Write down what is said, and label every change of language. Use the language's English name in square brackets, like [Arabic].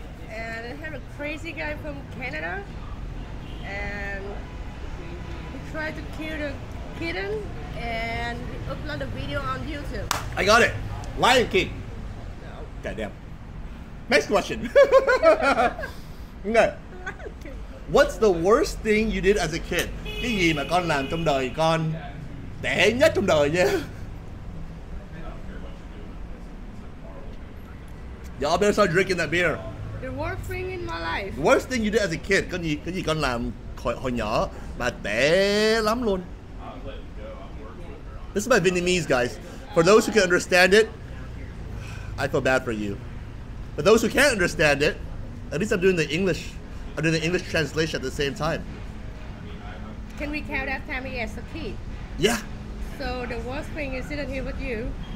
[English] And it had a crazy guy from Canada. And he tried to kill the kitten and upload a video on YouTube. I got it. Lion King. No. Goddamn. Next question. Okay. What's the worst thing you did as a kid? [Vietnamese] Cái gì mà con làm trong đời con tệ nhất trong đời nha? [English] Y'all better start drinking that beer. The worst thing in my life. Worst thing you did as a kid? [Vietnamese] Cái gì con làm hồi nhỏ mà tệ lắm luôn. [English] This is my Vietnamese, guys. For those who can understand it, I feel bad for you. But those who can't understand it, at least I'm doing the English. I'm doing the English translation at the same time. Can we count that time as a kid? Yeah. So the worst thing is sitting here with you.